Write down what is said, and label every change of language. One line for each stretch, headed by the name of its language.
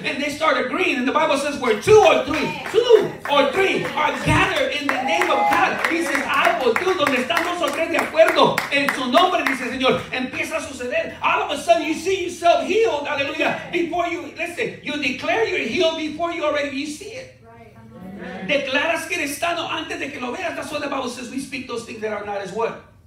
English: And they start agreeing. And the Bible says, where two or three are gathered in the name of God. He says, I will do.
Spanish: Donde están dos o tres de acuerdo. En su nombre, dice el Señor. Empieza a suceder.
English: All of a sudden, you see yourself healed. Hallelujah. Before you, listen, you declare you're healed before you see it.
Spanish: Declaras que eres sano antes de que lo veas.
English: That's what the Bible says. We speak those things that are not as well.